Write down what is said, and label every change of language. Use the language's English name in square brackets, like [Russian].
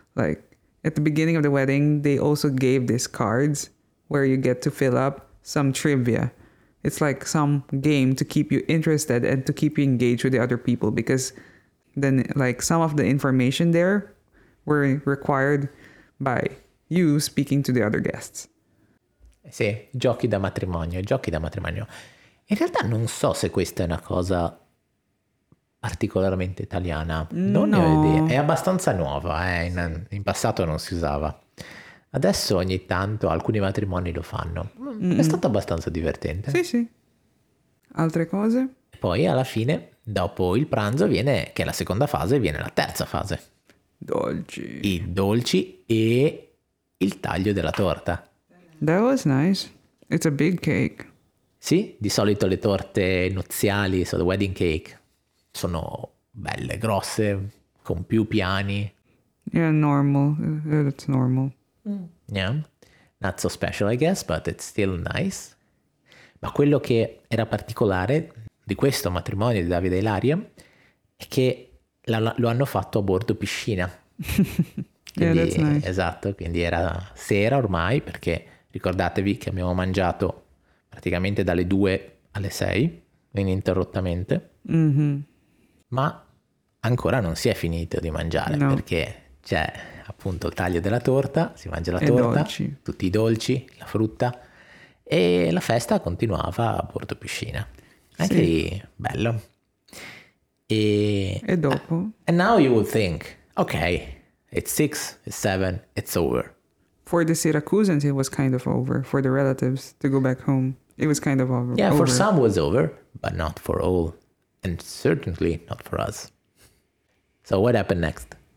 [English] Like, at the beginning of the wedding, they also gave these cards where you get to fill up some trivia. It's like some game to keep you interested and to keep you engaged with the other people, because then, like, some of the information there were required by you speaking to the other guests. [Italian] Sì, giochi da matrimonio, giochi da matrimonio. In realtà non so se questa è una cosa particolarmente italiana. Non ne ho idea. È abbastanza nuova, eh? In passato non si usava. Adesso ogni tanto alcuni matrimoni lo fanno. È stato abbastanza divertente. Sì, sì. Altre cose? Poi alla fine, dopo il pranzo, viene, che è la seconda fase, viene la terza fase. Dolci. I dolci e il taglio della torta. [English] That was nice. It's a big cake. [Italian] Sì, di solito le torte nuziali, [English] so the wedding cake, [Italian] sono belle, grosse, con più piani. [English] Yeah, normal. It's normal. Mm. Yeah, not so special, I guess, but it's still nice. [Italian] Ma quello che era particolare di questo matrimonio di Davide e Ilaria è che lo hanno fatto a bordo piscina. Quindi, [English] yeah, that's nice. [Italian] Esatto, quindi era sera ormai, perché ricordatevi che abbiamo mangiato praticamente dalle 2 alle 6, ininterrottamente. Mm-hmm. Ma ancora non si è finito di mangiare, no. Perché c'è appunto il taglio della torta, si mangia la torta, dolci. Tutti i dolci, la frutta, e la festa continuava a bordo piscina. Anche sì. Lì, bello. E dopo? [English] And now you will think, okay, it's 6, it's 7, it's over. For the Syracusans, it was kind of over. For the relatives to go back home, it was kind of over. Yeah, for some it was over, but not for all. And certainly not for us. So what happened next?